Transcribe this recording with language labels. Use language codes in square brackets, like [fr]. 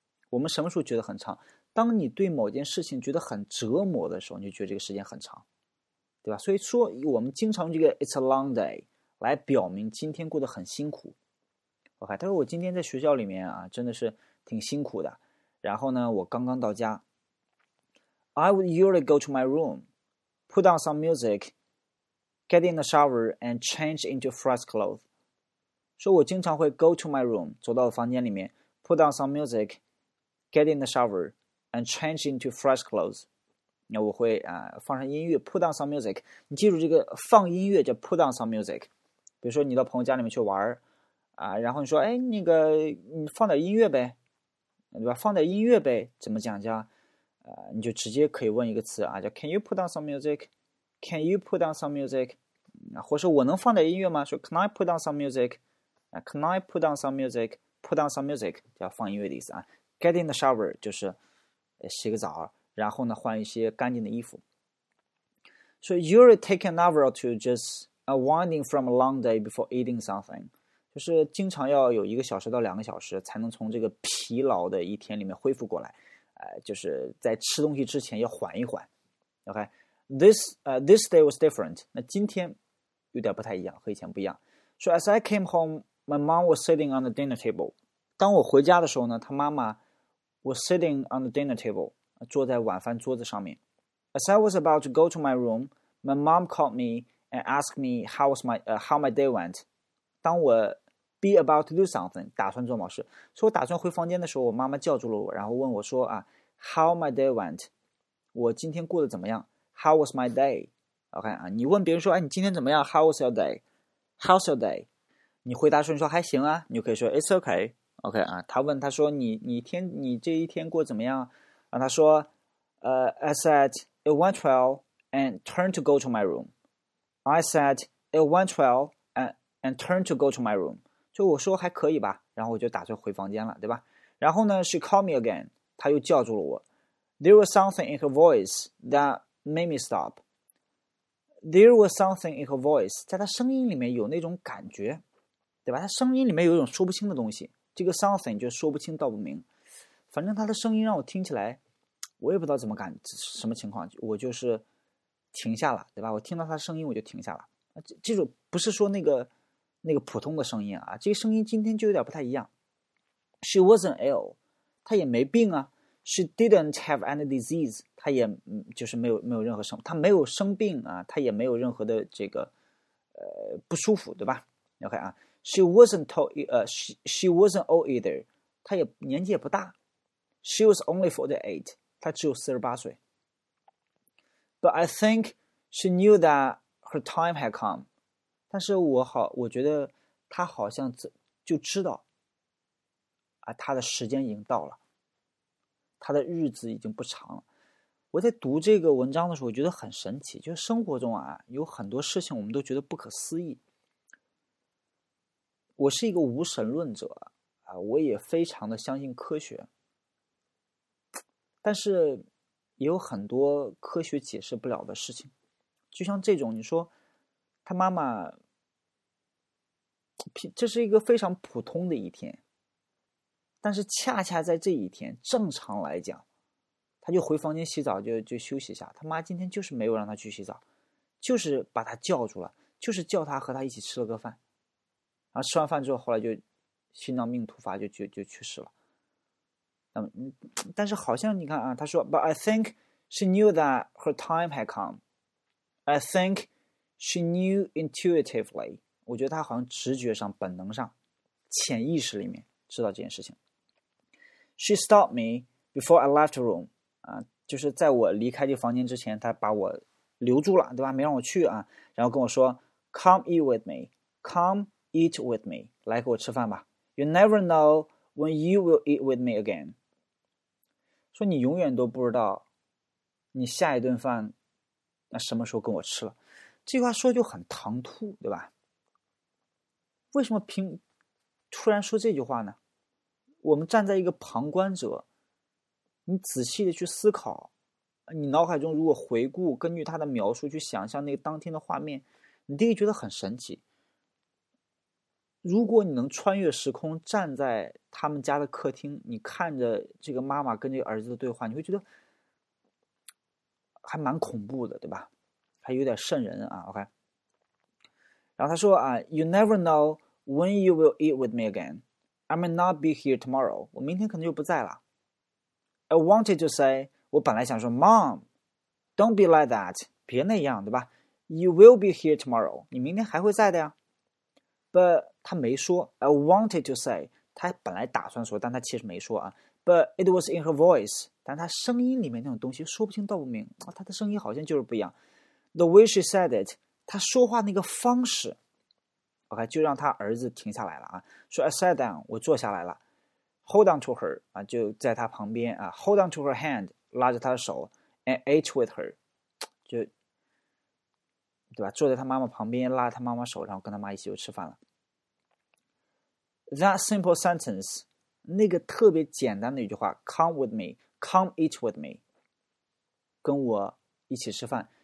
[zh] 我们什么时候觉得很长？当你对某件事情觉得很折磨的时候，你就觉得这个时间很长，对吧？所以说我们经常用这个 [en] it's a long day [zh] 来表明今天过得很辛苦。 OK， 他说我今天在学校里面啊，真的是挺辛苦的。然后呢，我刚刚到家 [en] ，I would usually go to my room。 Put on some music, get in the shower, and change into fresh clothes. [zh] 说我经常会 [en] go to my room, [zh] 走到房间里面 [en] ,put on some music, get in the shower, and change into fresh clothes. [zh] 那我会啊放上音乐 , [en] put on some music. [zh] 你记住这个放音乐叫 put on some music. 比如说你到朋友家里面去玩啊，然后你说哎那个你放点音乐呗，对吧？放点音乐呗，怎么讲叫你就直接可以问一个词啊，叫 [en] Can you put on some music? Can you put on some music? [zh] 或者说我能放点音乐吗？说 [en] Can I put on some music? Can I put on some music? Put on some music [zh] 叫放音乐的意思啊。 [en] Get in the shower [zh] 就是洗个澡，然后呢换一些干净的衣服。 [en] So you're taking an hour or two just winding from a long day before eating something， [zh] 就是经常要有1个小时到2个小时才能从这个疲劳的一天里面恢复过来。就是在吃东西之前要缓一缓 ，OK？ [en] This day was different。 [zh] 那今天有点不太一样，和以前不一样。 [en] So as I came home, my mom was sitting on the dinner table。 [zh] 当我回家的时候呢，她妈妈 [en] was sitting on the dinner table， [zh] 坐在晚饭桌子上面。 [en] As I was about to go to my room, my mom called me and asked me how my day went。 [zh] 当我 [en] be about to do something， [zh] 打算做某事，所以我打算回房间的时候，我妈妈叫住了我，然后问我说啊 ， [en] How my day went？ [zh] 我今天过得怎么样 ？ [en] How was my day？ [zh] OK、okay, 啊，你问别人说，哎，你今天怎么样 ？ [en] How was your day？How's your day？ [zh] 你回答说，你说还行啊，你就可以说 [en] It's okay [zh] OK 啊，他问他说你这一天过怎么样？啊，他说 [en] I said it went well and turned to go to my room. I said it went well and turned to go to my room. [zh] 就我说还可以吧，然后我就打算回房间了，对吧？然后呢， [en] she called me again， [zh] 她又叫住了我。 [en] There was something in her voice that made me stop. There was something in her voice， [zh] 在她声音里面有那种感觉，对吧？她声音里面有一种说不清的东西，这个 something 就说不清道不明。反正她的声音让我听起来，我也不知道怎么感什么情况，我就是停下了，对吧？我听到她声音我就停下了。这种不是说那个普通的声音啊，这个声音今天就有点不太一样。 [en] She wasn't ill， [zh] 她也没病啊。 [en] She didn't have any disease， [zh] 她也就是没有任何生，她没有生病啊，她也没有任何的这个不舒服，对吧？OK 啊， [en] She wasn't tall，she wasn't old either， [zh] 她也年纪也不大。 [en] She was only 48， [zh] 她只有48岁。 [en] But I think she knew that her time had come， [zh] 但是我觉得她好像就知道。他的时间已经到了，他的日子已经不长了。我在读这个文章的时候，我觉得很神奇，就是生活中啊，有很多事情我们都觉得不可思议。我是一个无神论者啊，我也非常的相信科学，但是也有很多科学解释不了的事情，就像这种，你说他妈妈，这是一个非常普通的一天。但是恰恰在这一天，正常来讲，他就回房间洗澡，就休息一下。他妈今天就是没有让他去洗澡，就是把他叫住了，就是叫他和他一起吃了个饭。然后吃完饭之后，后来就心脏病突发，就去世了。但是好像你看啊，他说， [en] But I think she knew that her time had come. I think she knew intuitively. [zh] 我觉得他好像直觉上、本能上、潜意识里面知道这件事情。 [en] She stopped me before I left the room. [zh] 就是在我离开这个房间之前，她把我留住了，对吧？没让我去啊。然后跟我说，" [en] Come eat with me. Come eat with me. [zh] 来给我吃饭吧。 [en] You never know when you will eat with me again." [zh] 说你永远都不知道，你下一顿饭那什么时候跟我吃了。这句话说就很唐突，对吧？为什么突然说这句话呢？我们站在一个旁观者，你仔细的去思考，你脑海中如果回顾，根据他的描述去想象那个当天的画面，你第一觉得很神奇。如果你能穿越时空，站在他们家的客厅，你看着这个妈妈跟这个儿子的对话，你会觉得还蛮恐怖的，对吧？还有点瘆人啊。 OK，然后他说啊， [en] You never know when you will eat with me again。 I may not be here tomorrow. [zh] 我明天可能就不在了。 [en] I wanted to say， [zh] 我本来想说， [en] Mom，don't be like that， [zh] 别那样，对吧？ [en] You will be here tomorrow. [zh] 你明天还会在的呀。 [en] But [zh] 他没说。 [en] I wanted to say， [zh] 他本来打算说，但他其实没说啊。 [en] But it was in her voice， [zh] 但他声音里面那种东西说不清道不明啊，他的声音好像就是不一样。 [en] The way she said it， [zh] 他说话那个方式。 [en] OK， [zh] 就让他儿子停下来了啊，说 [en] "I sat down， [zh] 我坐下来了， [en] hold on to her 啊， [zh] 就在他旁边啊， [en] hold on to her hand， [zh] 拉着他的手， [en] and ate with her， [zh] 就对吧？坐在他妈妈旁边，拉着他妈妈手，然后跟他妈一起就吃饭了。 [en] That simple sentence， [zh] 那个特别简单的一句话， [en] come with me，come eat with me， [zh] 跟我一起吃饭。